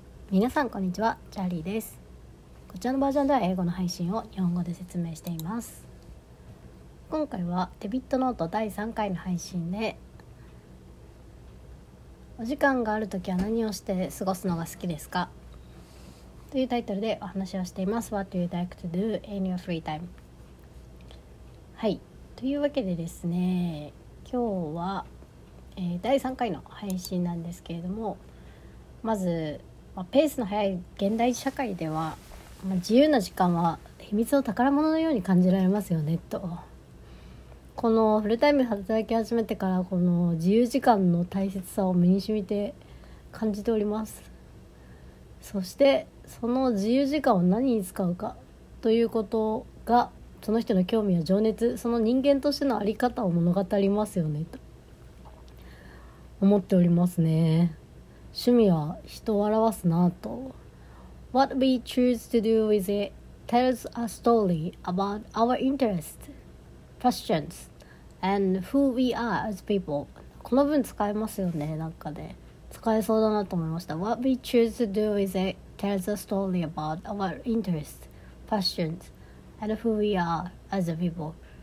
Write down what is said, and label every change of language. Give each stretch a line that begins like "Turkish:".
Japanese: 皆さんこんにちは、チャーリーです。こちらのバージョンでは英語の配信を日本語で説明しています。今回はデビットノート第3回の配信で、お時間があるときは何をして過ごすのが好きですかというタイトルでお話をしています。
English: What do you like to do in your free time?
Japanese: はい、というわけでですね、今日は、第3回の配信なんですけれども、まずペースの速い現代社会では、自由な時間は秘密の宝物のように感じられますよねと。このフルタイムで働き始めてから、この自由時間の大切さを身に染みて感じております。そしてその自由時間を何に使うかということが、その人の興味や情熱、その人間としての在り方を物語りますよねと思っておりますね。趣味は人を表すなと。
English: What we choose to do with it tells a story about our interests, passions, and who we are as people.
Japanese: この文使えますよね、なんかね、使えそうだなと思いました。
English: What we choose to do with it tells a story about our interests, passions, and who we are as a people.